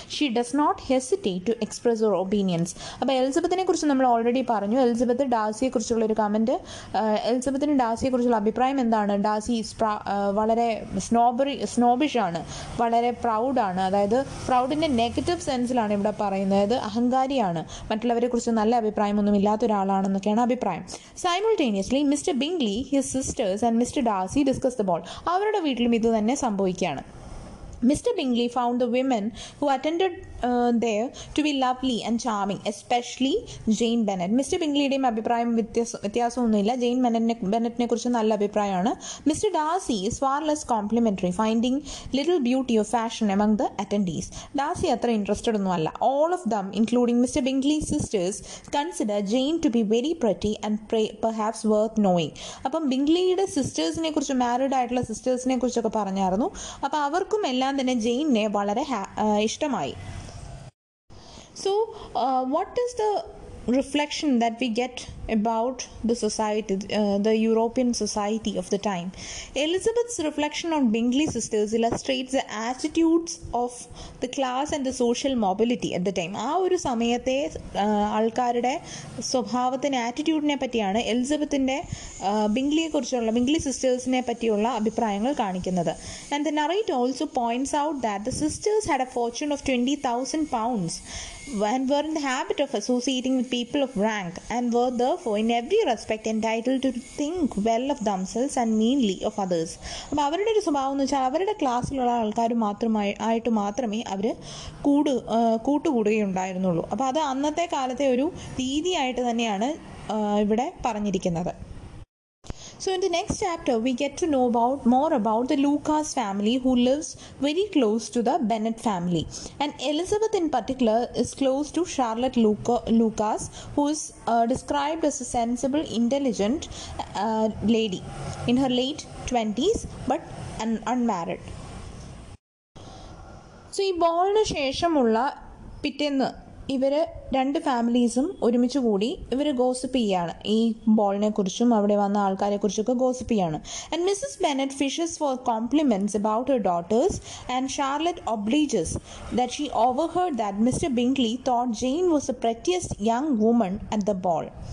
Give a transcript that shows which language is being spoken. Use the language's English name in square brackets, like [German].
[English] She does not hesitate to express her opinions. [Malayalam] അപ്പോൾ എലിസബത്തിനെ കുറിച്ച് നമ്മൾ ഓൾറെഡി പറഞ്ഞു, എലിസബത്ത് ഡാർസിയെ കുറിച്ചുള്ള ഒരു കമൻറ്റ്, എലിസബത്തിന് ഡാർസിയെ കുറിച്ചുള്ള അഭിപ്രായം എന്താണ്, ഡാർസി വളരെ സ്നോബിഷാണ്, വളരെ പ്രൗഡാണ്, അതായത് പ്രൗഡിൻ്റെ നെഗറ്റീവ് സെൻസിലാണ് ഇവിടെ പറയുന്നത്, അതായത് അഹങ്കാരിയാണ്, മറ്റുള്ളവരെ കുറിച്ച് നല്ല അഭിപ്രായമൊന്നും ഇല്ലാത്ത ഒരാളാണെന്നൊക്കെയാണ് അഭിപ്രായം. [English] Simultaneously, Mr. Bingley, his sisters and Mr. Darcy discuss the ball. [Malayalam] അവരുടെ വീട്ടിലും ഇത് തന്നെ സംഭവിക്കുകയാണ്. [English] Mr. Bingley found the women who attended there to be lovely and charming, especially Jane Bennet. Mr. [Malayalam] Bingley's അഭിപ്രായം വ്യത്യാസമൊന്നുമില്ല, ജെയിൻ ബെന്നറ്റിനെ കുറിച്ച് നല്ല അഭിപ്രായമാണ്. [English] Mr Darcy is far less complimentary, finding little beauty of fashion among the attendees. [Malayalam] Darcy അത്ര interested ഒന്നുമല്ല. [English] All of them including Mr Bingley sisters consider Jane to be very pretty and perhaps worth knowing. [Malayalam] അപ്പം ബിംഗ്ലിയുടെ സിസ്റ്റേഴ്സിനെ കുറിച്ച്, married ആയിട്ടുള്ള സിസ്റ്റേഴ്സിനെ കുറിച്ചൊക്കെ പറഞ്ഞായിരുന്നു. അപ്പം അവർക്കും എല്ലാം തന്നെ ജെയിനെ വളരെ ഇഷ്ടമായി. [English] So what is the reflection that we get about the society, the European society of the time. Elizabeth's reflection on Bingley sisters illustrates the attitudes of the class and the social mobility at the time. [Malayalam] ആ ഒരു സമയത്തെ ആൾക്കാരുടെ സ്വഭാവത്തിൻ്റെ ആറ്റിറ്റ്യൂഡിനെ പറ്റിയാണ് എലിസബത്തിൻ്റെ ബിംഗ്ലിയെക്കുറിച്ചുള്ള Bingley സിസ്റ്റേഴ്സിനെ പറ്റിയുള്ള അഭിപ്രായങ്ങൾ കാണിക്കുന്നത്. [English] And the narrator also points out that the sisters had a fortune of £20,000 and were in the habit of associating with people of rank and were therefore in every respect entitled to think well of themselves and meanly of others. [Malayalam] അപ്പോൾ അവരുടെ ഒരു സ്വഭാവം എന്ന് വെച്ചാൽ അവരുടെ ക്ലാസ്സിലുള്ള ആൾക്കാർ ആയിട്ട് മാത്രമേ അവർ കൂട്ടുകൂടുകയുണ്ടായിരുന്നുള്ളൂ. അപ്പോൾ അത് അന്നത്തെ കാലത്തെ ഒരു രീതിയായിട്ട് തന്നെയാണ് ഇവിടെ പറഞ്ഞിരിക്കുന്നത്. [English] So in the next chapter, we get to know about more about the Lucas family, who lives very close to the Bennet family. And Elizabeth in particular is close to Charlotte Lucas, who is described as a sensible, intelligent lady in her late 20s, but unmarried. [Malayalam] So ee ballna sheshamulla pittenu ഇവരെ രണ്ട് ഫാമിലീസും ഒരുമിച്ച് കൂടി ഇവർ gossip ചെയ്യുകയാണ്. ഈ ബോളിനെക്കുറിച്ചും അവിടെ വന്ന ആൾക്കാരെക്കുറിച്ചൊക്കെ gossip ചെയ്യുകയാണ്. [English] And Mrs Bennet fishes for compliments about her daughters and Charlotte obliges that she overheard that Mr Bingley thought Jane was a prettiest young woman at the ball.